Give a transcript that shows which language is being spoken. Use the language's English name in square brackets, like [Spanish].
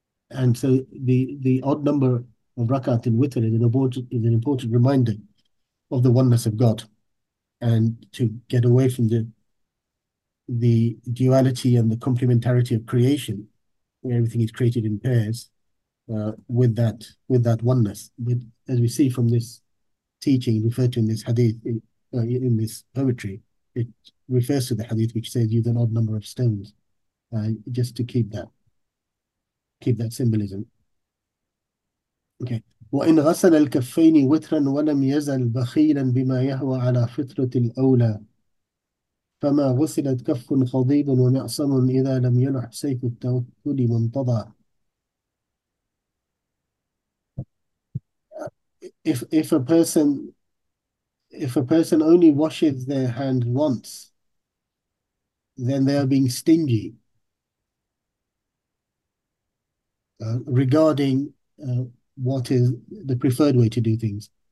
[English] And so the odd number of rak'at in witr is an important reminder of the oneness of God, and to get away from the duality and the complementarity of creation, where everything is created in pairs, with that oneness. But as we see from this teaching referred to in this hadith, in this poetry, it refers to the hadith which says, "Use an odd number of stones," just to keep that symbolism. Okay. [Arabic] وإن غسل الكفين وترا ولم يزل بخيلا بما يهوى على فطرة الأولى فما غسلت كف خضيب ومعصم إذا لم يلح سيف التوكل منتضى. [English] If a person only washes their hand once, then they are being stingy regarding what is the preferred way to do things.